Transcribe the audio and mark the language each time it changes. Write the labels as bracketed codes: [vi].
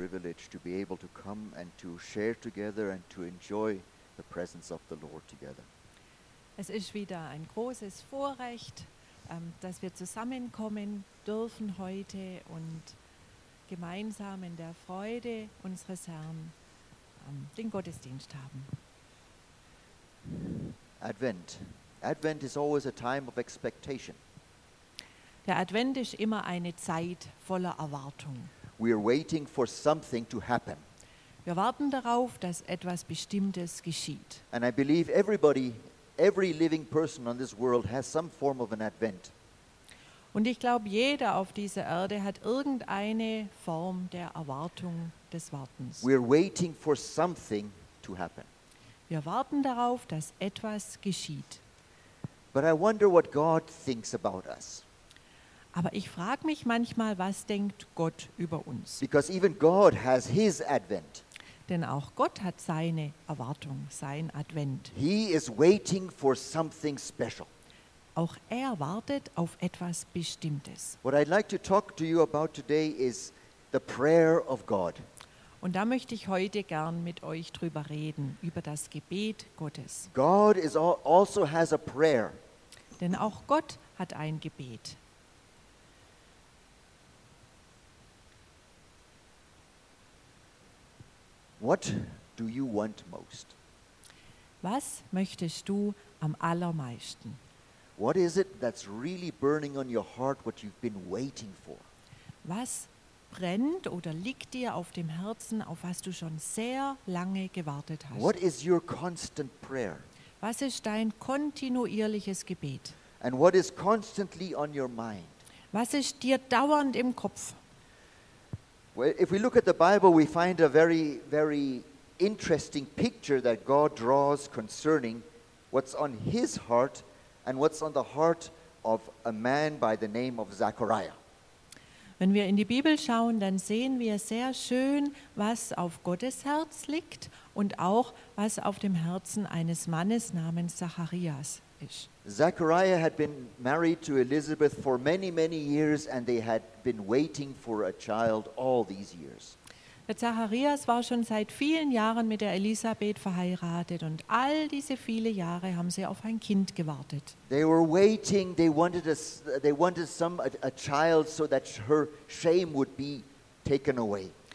[en] privilege to be able to come and to share together and to enjoy the presence of the Lord together. [de] Es ist wieder ein großes Vorrecht, dass wir zusammenkommen dürfen heute und gemeinsam in der Freude unseres Herrn den Gottesdienst haben. [en] Advent. Advent is always a time of expectation. [de] Der Advent ist immer eine Zeit voller Erwartung. [en] We are waiting for something to happen. [de] Wir warten darauf, dass etwas Bestimmtes geschieht. [en] And I believe everybody, every living person on this world has some form of an Advent. [de] Und ich glaube, jeder auf dieser Erde hat irgendeine Form der Erwartung des Wartens. [en] We are waiting for something to happen. [de] Wir warten darauf, dass etwas geschieht. [en] But I wonder what God thinks about us. [de] Aber ich frage mich manchmal, was denkt Gott über uns? [en] Because even God has his Advent. [de] Denn auch Gott hat seine Erwartung, sein Advent. [en] He is waiting for something special. [de] Auch er wartet auf etwas Bestimmtes. [en] What I'd like to talk to you about today is the prayer of God. [de] Und da möchte ich heute gern mit euch drüber reden, über das Gebet Gottes. [en] God is also has a prayer. [de] Denn auch Gott hat ein Gebet. [en] What do you want most? [de] Was möchtest du am allermeisten? [en] What is it that's really burning on your heart, what you've been waiting for? [de] Was brennt oder liegt dir auf dem Herzen, auf was du schon sehr lange gewartet hast? [en] What is your constant prayer? [de] Was ist dein kontinuierliches Gebet? [en] And what is constantly on your mind? [de] Was ist dir dauernd im Kopf? [en] Well, if we look at the Bible, we find a very, very interesting picture that God draws concerning what's on his heart and what's on the heart of a man by the name of Zachariah. [de] Wenn wir in die Bibel schauen, dann sehen wir sehr schön, was auf Gottes Herz liegt und auch, was auf dem Herzen eines Mannes namens Zacharias ist. [en] Zachariah had been married to Elizabeth for many, many years and they had been waiting for a child all these years. [de] Zacharias war schon seit vielen Jahren mit der Elisabeth verheiratet und all diese viele Jahre haben sie auf ein Kind gewartet. [en] They were waiting, they wanted a child so that her shame would be taken away.